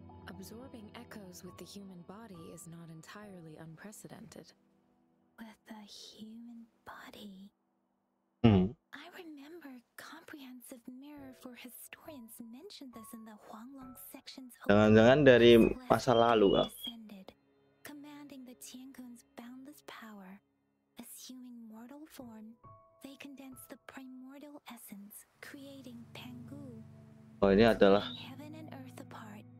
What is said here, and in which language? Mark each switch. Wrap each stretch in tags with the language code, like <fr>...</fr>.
<en>Absorbing echoes with the human body is not entirely unprecedented. With the human body. I remember comprehensive mirror for historians mentioned this in the Huanglong sections.</en> <id>Jangan-jangan dari masa lalu kah?</id> <en>Commanding the Tiankun's boundless power, assuming mortal form, they condensed the primordial essence, creating Pangu.</en> <id>Oh, ini adalah</id> <en>heaven and earth apart.</en>